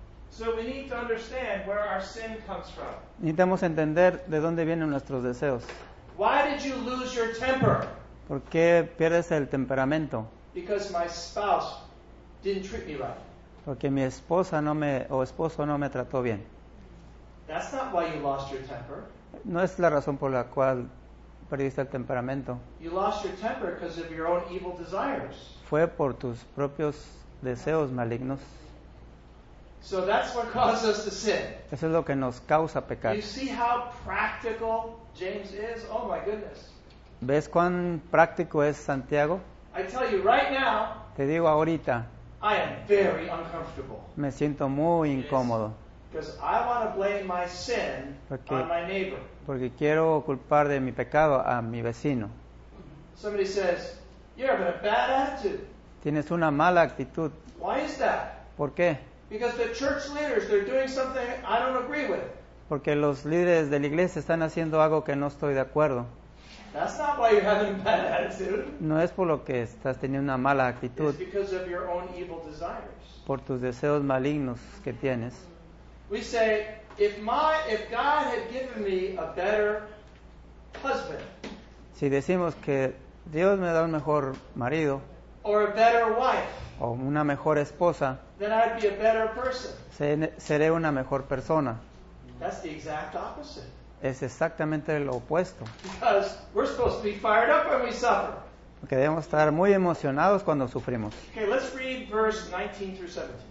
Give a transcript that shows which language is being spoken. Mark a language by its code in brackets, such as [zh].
[en] So we need to understand where our sin comes from. [es] Necesitamos entender de dónde vienen nuestros deseos. [en] Why did you lose your temper? [es] ¿Por qué pierdes el temperamento? [en] Because my spouse didn't treat me right. [es] Porque mi esposa no me, o esposo no me trató bien. [en] That's not why you lost your temper. [es] No es la razón por la cual perdiste el temperamento. [en] You lost your temper because of your own evil desires. [es] Fue por tus propios deseos malignos. [en] So that's what causes us to sin. [es] Eso es lo que nos causa pecar. [en] You see how practical James is? Oh my goodness. [es] ¿Ves cuán práctico es Santiago? [en] I tell you right now. [es] Te digo ahorita. [en] I am very uncomfortable. [es] Me siento muy incómodo. [en] Because I want to blame my sin [es] porque, [en] on my neighbor. [es] Porque quiero culpar de mi pecado a mi vecino. [en] Somebody says, you're having a bad attitude. [es] Tienes una mala actitud. [en] Why is that? [es] ¿Por qué? [en] Because the church leaders, they're doing something I don't agree with. [es] Porque los líderes de la iglesia están haciendo algo que no estoy de acuerdo. [en] That's not why you're having a bad attitude. [es] No es por lo que estás teniendo una mala actitud. [en] It's because of your own evil desires. [es] Por tus deseos malignos que tienes. [en] We say, if God had given me a better husband. [es] Si decimos que Dios me da un mejor marido. [en] Or a better wife. [es] O una mejor esposa. [en] then I'd be a better person. [es] Seré una mejor persona. [en] That's the exact opposite. [es] Es exactamente lo opuesto. [en] Because we're supposed to be fired up when we suffer. [es] Porque debemos estar muy emocionados cuando sufrimos. [en] Okay, let's read verse 19 through 17.